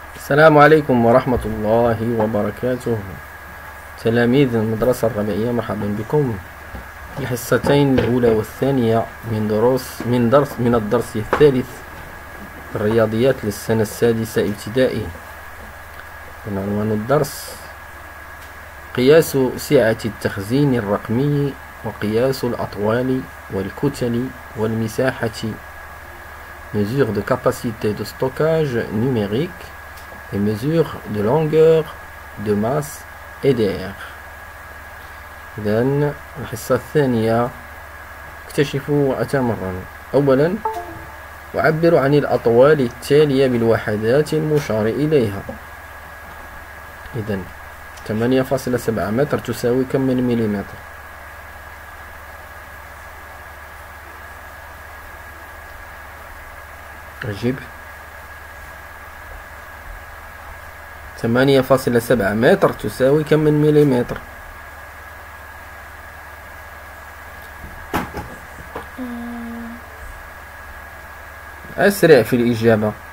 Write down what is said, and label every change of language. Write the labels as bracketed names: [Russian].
[Arabic] السلام عليكم ورحمة الله وبركاته، تلاميذ المدرسة الربيعية، مرحبا بكم في الحصتين الأولى والثانية من دروس من درس من الدرس الثالث الرياضيات للسنة السادسة ابتدائي. من عنوان الدرس: قياس سعة التخزين الرقمي وقياس الأطوال والكتل والمساحة. [French] Mesure de capacité de stockage numérique et mesure de longueur, de masse et d'air. [Arabic] إذن الحصة الثانية، اكتشفوا وأتمرنوا. أولا، أعبر عن الأطوال التالية بالوحدات المشار إليها. إذن 8.7 متر تساوي كم من مليمتر؟ أجب، 8.7 متر تساوي كم من مليمتر؟ أسرع في الإجابة.